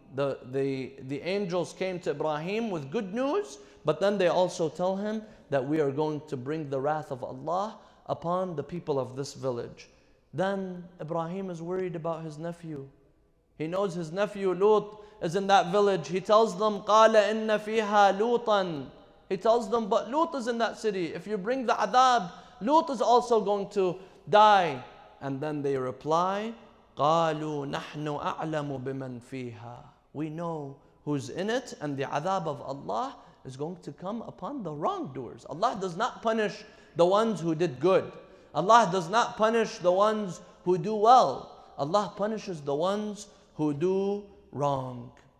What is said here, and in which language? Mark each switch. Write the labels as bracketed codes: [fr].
[en] The angels came to Ibrahim with good news, but then they also tell him that we are going to bring the wrath of Allah upon the people of this village. Then Ibrahim is worried about his nephew. He knows his nephew Lut is in that village. He tells them, [ar] قَالَ إِنَّ فِيهَا لُوطًا. [en] He tells them, but Lut is in that city. If you bring the adab, Lut is also going to die. And then they reply, [ar] قَالُوا نَحْنُ أَعْلَمُ بِمَنْ فِيهَا. [en] We know who's in it, and the adab of Allah is going to come upon the wrongdoers. Allah does not punish the ones who did good. Allah does not punish the ones who do well. Allah punishes the ones who do wrong.